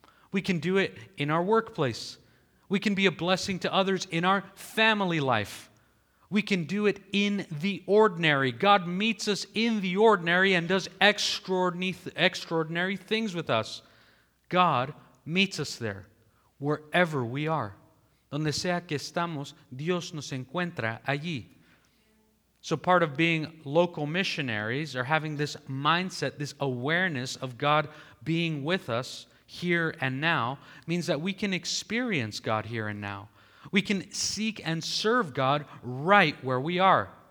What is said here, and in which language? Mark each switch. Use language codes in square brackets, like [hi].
[en] We can do it in our workplace. We can be a blessing to others in our family life. We can do it in the ordinary. God meets us in the ordinary and does extraordinary things with us. God meets us there, wherever we are. [es] Donde sea que estamos, Dios nos encuentra allí. [en] So part of being local missionaries or having this mindset, this awareness of God being with us here and now means that we can experience God here and now. We can seek and serve God right where we are.